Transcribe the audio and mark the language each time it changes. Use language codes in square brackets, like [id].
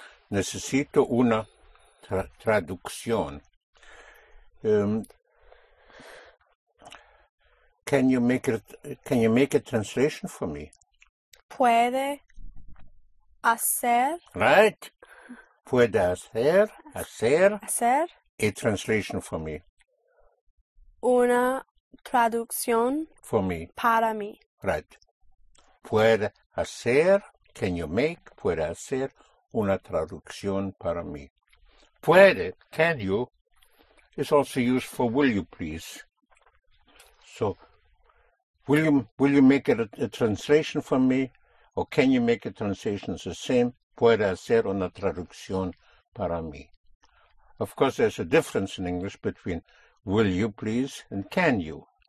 [es] Necesito una traducción. [en] Can you make a translation for me? [es] Puede hacer. Right. Puede hacer. Hacer. [en] A translation for me. [es] Una traducción. [en] For me. [es] Para mí. [en] Right. [es] Puede hacer. [en] Can you make? [es] Puede hacer una traducción para mí. Puede. [en] Can you? Is also used for will you please. So, will you make a translation for me? Or can you make a translation? It's the same. [es] Puede hacer una traducción para mí. [en] Of course, there's a difference in English between will you please and can you.